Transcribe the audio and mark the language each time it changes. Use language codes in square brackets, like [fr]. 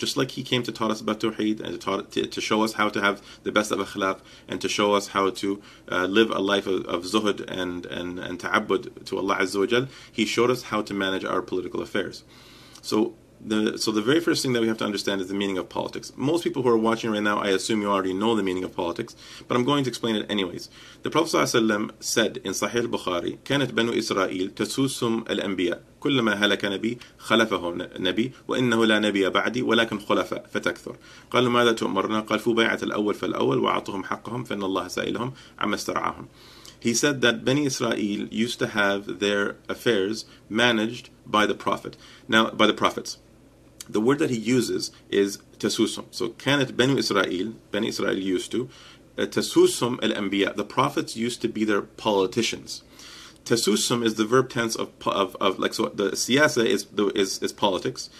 [en] Just like he came to taught us about Tawheed and to show us how to have the best of akhlaq and to show us how to live a life of zuhud and ta'abud to Allah Azza wa Jal, he showed us how to manage our political affairs. So the very first thing that we have to understand is the meaning of politics. Most people who are watching right now, I assume you already know the meaning of politics, but I'm going to explain it anyways. The Prophet Sallallahu Alaihi Wasallam said in Sahih al-Bukhari, [ar] كانت بنو إسرائيل تسوسهم الأنبياء كلما هلك نبي خلفه نبي وإنه لا نبي بعدي ولكن خلفاء فتكثر. قالوا ماذا تؤمرنا؟ قال فبيعة الأول فالأول وعطهم حقهم فإن الله سائلهم عما استرعاهم. [en] He said that Bani Israel used to have their affairs managed by the Prophet. Now, by the Prophets. The word that he uses is tasusum. So, كانت Bani Israel used to, tasusum al-anbiya. The Prophets used to be their politicians. Tasusum is the verb tense of like, so the siyasa is politics.